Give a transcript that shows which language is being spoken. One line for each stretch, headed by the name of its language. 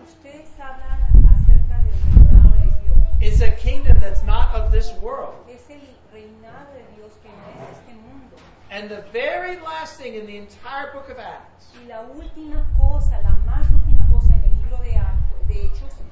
Spanish: Ustedes hablan acerca del reinado de Dios.
English: It's a kingdom that's not of this world.
Spanish: Es el reinado de Dios que no es este mundo.
English: And the very last thing in the entire book of Acts,
Spanish: y la última cosa, la más última cosa en el libro de Hechos,